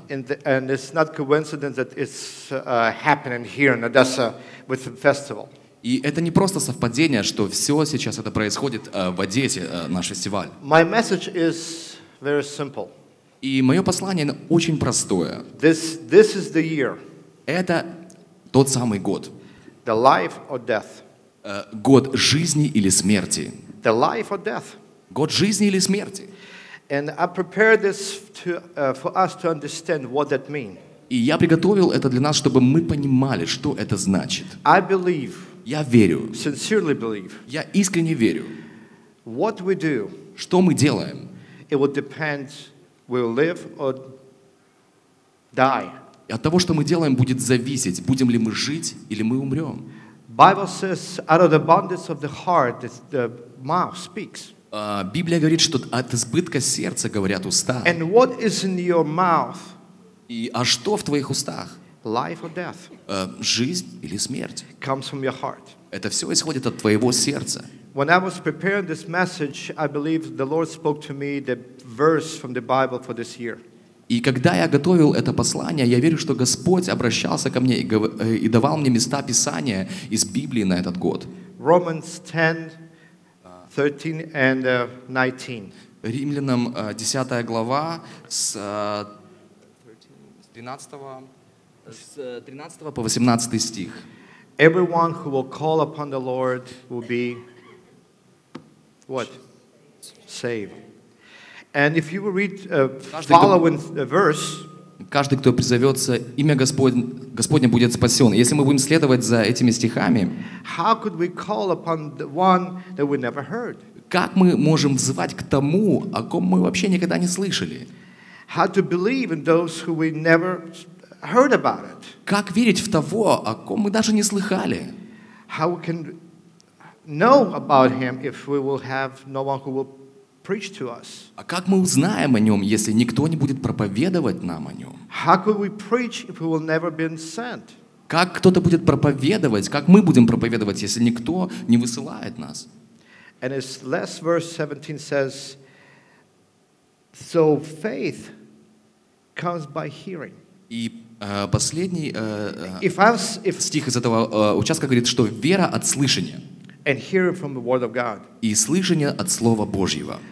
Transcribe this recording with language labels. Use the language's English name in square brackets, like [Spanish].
[English] And it's not coincidence that it's happening here in Odessa with the festival. [Russian] И это не просто совпадение, что все сейчас это происходит в Одессе, наш фестиваль. [English] My message is very simple. [Russian] И мое послание очень простое. [English] This is the year. [Russian] Это тот самый год. [English] The life or death. [Russian] Год жизни или смерти. [English] The life or death. [Russian] Год жизни или смерти. [English] And I prepared this for us to understand what that means. [Russian] И я приготовил это для нас, чтобы мы понимали, что это значит. [English] I believe. [Russian] Я верю. [English] Sincerely believe. [Russian] Я искренне верю. [English] What we do. [Russian] Что мы делаем. [English] It will depend, we'll live or die. [Russian] И от того, что мы делаем, будет зависеть, будем ли мы жить или мы умрем. [English] Bible says, out of the abundance of the heart, the mouth speaks. [Russian] Библия говорит, что от избытка сердца говорят уста. [English] And what is in your mouth? [Russian] А что в твоих устах? [English] Life or death? [Russian] Жизнь или смерть? [English] Comes from your heart. [Russian] Это все исходит от твоего сердца. [English] When I was preparing this message, I believe the Lord spoke to me the verse from the Bible for this year. [Russian] И когда я готовил это послание, я верю, что Господь обращался ко мне и давал мне места Писания из Библии на этот год. [English] Romans 10:13 and 19. [Russian] Римлянам 10 глава с 13 с 13 по 18 стих. [English] Everyone who will call upon the Lord will be what? Saved. And if you read following verse, [Russian] каждый, кто призовется, имя Господне будет спасен. Если мы будем следовать за этими стихами, [English] how could we call upon the one that we never heard? [Russian] Как мы можем взывать к тому, о ком мы вообще никогда не слышали? [English] How to believe in those who we never heard about it? [Russian] Как верить в того, о ком мы даже не слыхали? [English] How we can know about him if we will have no one who will preach to us? [Russian] А как мы узнаем о нем, если никто не будет проповедовать нам о нем? [English] How could we preach if we will never been sent? [Russian] Как кто-то будет проповедовать, как мы будем проповедовать, если никто не высылает нас? [English] And his last verse 17 says, so faith comes by hearing. [Russian] И последний стих из этого участка говорит, что вера от слышания. [English] And hearing from the word of God. [Russian] И слышание от Слова Божьего.